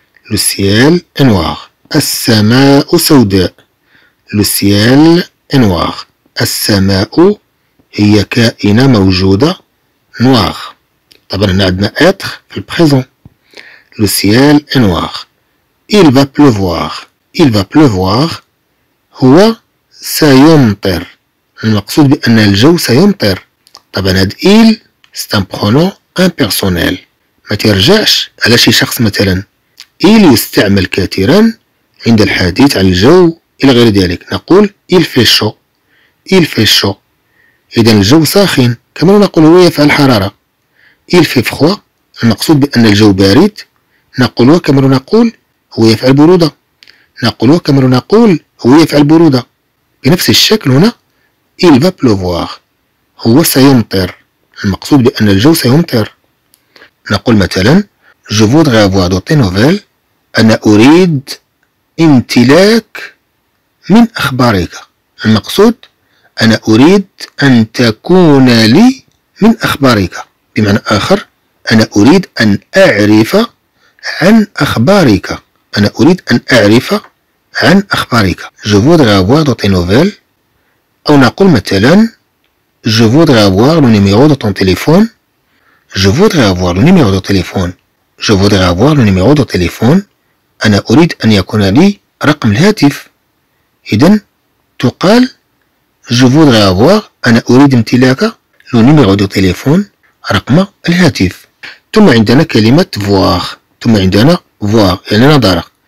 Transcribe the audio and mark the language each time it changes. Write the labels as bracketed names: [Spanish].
[French] لو سيال انوار [Arabic] السماء سوداء. لو سيال انوار السماء هي كائنة موجودة نوار. طبعا هنا عندنا [French] اتر في البريزون. لو سيال انوار il va pleuvoir. il va pleuvoir [Arabic] هو سيمطر. المقصود بان الجو سيمطر. طبعا هاد il c'est un pronom impersonnel ما ترجعش على شي شخص. مثلا إيل يستعمل كثيرا عند الحديث عن الجو إلى غير ذلك. نقول إيل في شو. إيل في شو إذا الجو ساخن كما نقول هو يفعل حرارة. إيل في فخوا المقصود بأن الجو بارد نقول كما نقول هو يفعل برودة. نقول كما نقول هو يفعل برودة. بنفس الشكل هنا إيل [French] va pleuvoir [Arabic] هو سيمطر. المقصود بأن الجو سيمطر. [French] نقول مثلا je voudrais avoir de tes nouvelles. [Arabic] انا اريد امتلاك من اخبارك. المقصود انا اريد ان تكون لي من اخبارك. بمعنى اخر انا اريد ان اعرف عن اخبارك. انا اريد ان اعرف عن اخبارك. [French] je voudrais avoir de tes nouvelles. [Arabic] او نقول مثلا [French] je voudrais avoir le numéro de ton téléphone. Je voudrais avoir le numéro de téléphone. Je voudrais avoir le numéro de téléphone. [Arabic] أنا أريد أن يكون لي رقم الهاتف. إذن تقال [French] je voudrais avoir [Arabic] أنا أريد امتلاك [French] le numéro de téléphone [Arabic] رقم الهاتف. ثم عندنا كلمة [French] voir. [Arabic] ثم عندنا voir يعني نظرة.